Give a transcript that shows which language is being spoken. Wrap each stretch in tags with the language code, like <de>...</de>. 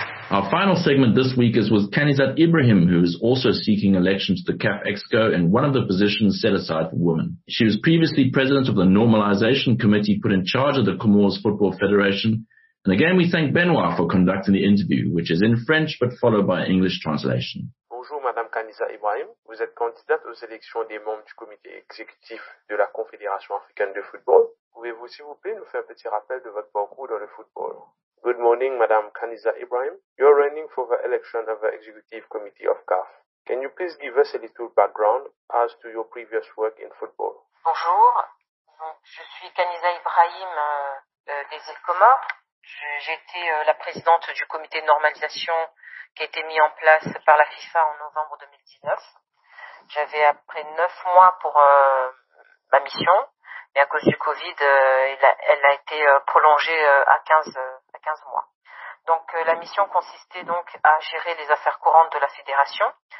<en>Our final segment this week is with Kanizat Ibrahim, who is also seeking election to the CAF Exco in one of the positions set aside for women. She was previously president of the Normalization Committee put in charge of the Comores Football Federation. And again, we thank Benoit for conducting the interview, which is in French but followed by English translation.</en> <fr>Bonjour, Madame Kanizat Ibrahim. Vous êtes candidate aux élections des membres du comité exécutif de la Confédération Africaine de Football. Pouvez-vous, s'il vous plaît, nous faire un petit rappel de votre parcours dans le football?</fr> <en>Good morning, Madame Kanizat Ibrahim. You are running for the election of the Executive Committee of CAF. Can you please give us a little background as to your previous work in football?</en> <fr>Bonjour. Donc, je suis Kanizat Ibrahim des îles Comores. J'étais la présidente du comité de normalisation qui a été mis en place par la FIFA en novembre 2019. J'avais après 9 mois pour ma mission, mais à cause du Covid, elle a été prolongée à 15 mois. Donc la mission consistait donc à gérer les affaires courantes de la fédération,</fr>